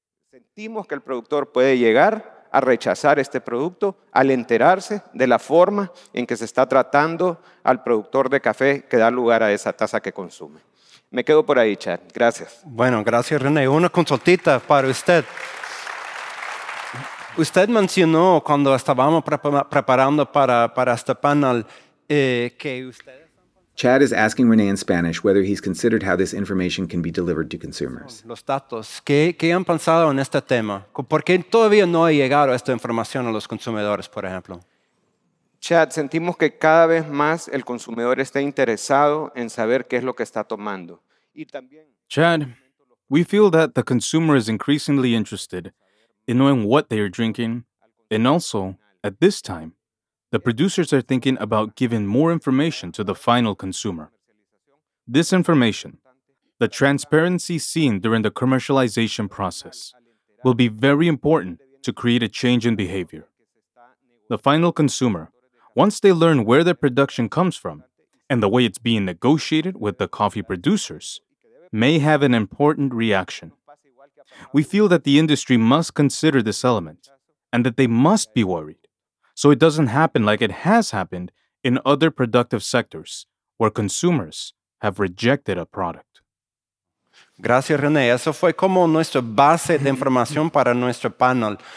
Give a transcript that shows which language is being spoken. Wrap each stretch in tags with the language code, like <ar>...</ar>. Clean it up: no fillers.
<es>Sentimos que el productor puede llegar a rechazar este producto al enterarse de la forma en que se está tratando al productor de café que da lugar a esa taza que consume. Me quedo por ahí, Chad. Gracias. Bueno, gracias, René. Una consultita para usted. Usted mencionó cuando estábamos preparando para este panel que usted...</es> <en>Chad is asking René in Spanish whether he's considered how this information can be delivered to consumers.</en> <es>Los datos, ¿qué han pensado en este tema? ¿Por qué todavía no ha llegado esta información a los consumidores, por ejemplo? Chad, sentimos que cada vez más el consumidor está interesado en saber qué es lo que está tomando. Y también...</es> <en>Chad, we feel that the consumer is increasingly interested in knowing what they are drinking, and also, at this time, the producers are thinking about giving more information to the final consumer. This information, the transparency seen during the commercialization process, will be very important to create a change in behavior. The final consumer, once they learn where their production comes from and the way it's being negotiated with the coffee producers, may have an important reaction. We feel that the industry must consider this element and that they must be worried, so it doesn't happen like it has happened in other productive sectors where consumers have rejected a product.</en> <es>Gracias, René. Eso fue como nuestra base de información para nuestro panel.</es>